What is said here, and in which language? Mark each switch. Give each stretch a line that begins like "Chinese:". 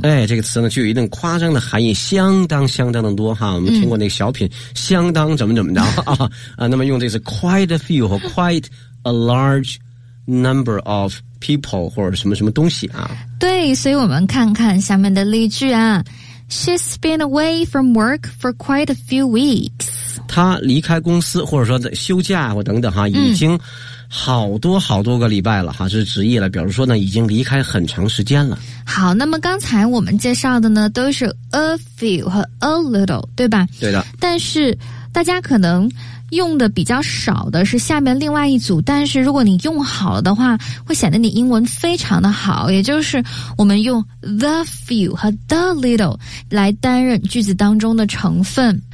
Chinese: 哎，这个词呢具有一定夸张的含义，相当相当的多哈。我们听过那个小品，相当怎么怎么着啊啊。那么用这是
English: quite a few
Chinese: 和
English: quite a large number of people
Chinese: 或者什么什么东西啊。对，所以我们看看下面的例句啊。
English: She's been away from work for quite a few weeks。
Chinese: 他离开公司或者说休假或等等哈，已经好多好多个礼拜了哈，是职业了，表示说呢已经离开很长时间了。好，那么刚才我们介绍的呢都是 a few 和 a little， 对吧？对的。但是大家可能用的比较少的是下面另外一组，但是如果你用好了的话会显得你英文非常的好，也就是我们用 the few 和 the little 来担任句子当中的成分。